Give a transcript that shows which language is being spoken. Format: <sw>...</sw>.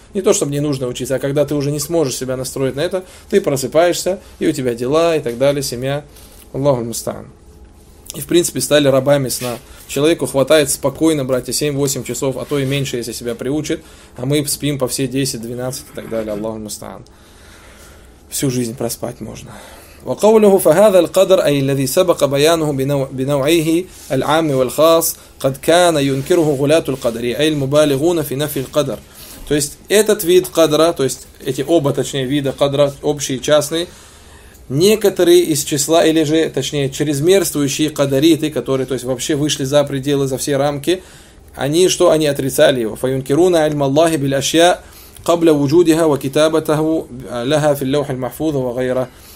<ru>Не то, чтобы не нужно учиться, а когда ты уже не сможешь себя настроить на это, ты просыпаешься, и у тебя дела и так далее, семья. Аллаху мустаан. И в принципе стали рабами сна. Человеку хватает спокойно, братья, 7-8 часов, а то и меньше, если себя приучит. А мы спим по все 10-12 и так далее. Аллаху мустаан. Всю жизнь проспать можно.</ru> <ar>وقوله فهذا القدر أي الذي سبق بيانه بنوعه العام والخاص قد كان ينكره غلاة القدر أي المبالغون في نفي القدر.</ar> <ru>То есть этот вид кадра, то есть эти оба, точнее, вида кадра, общий и частный, некоторые из числа, или же, точнее, чрезмерствующие кадариты, которые, то есть, вообще вышли за пределы, за все рамки, они что, они отрицали его.</ru> <ar>فَيُنْكِرُونَ عِلْمَ اللَّهِ بِالْأَشْيَاءِ قَبْلَ وُجُودِهَا وَكِتَابَتَهُ لَهَا فِي اللَّوْحِ الْمَحْفُوظِ وَغَيْرَهُ.</ar>